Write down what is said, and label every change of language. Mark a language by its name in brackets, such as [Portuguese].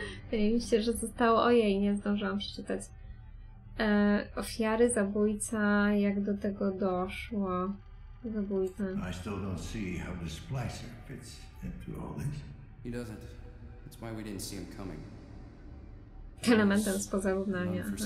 [Polish] Wydaje mi się, że zostało... Ojej, nie zdążyłam przeczytać. Ofiary, zabójca, jak do tego doszło? Zabójca. [English] I still don't see how the splicer fits into all this. He doesn't. That's why we didn't see him coming. [Polish] Elementem spoza równania.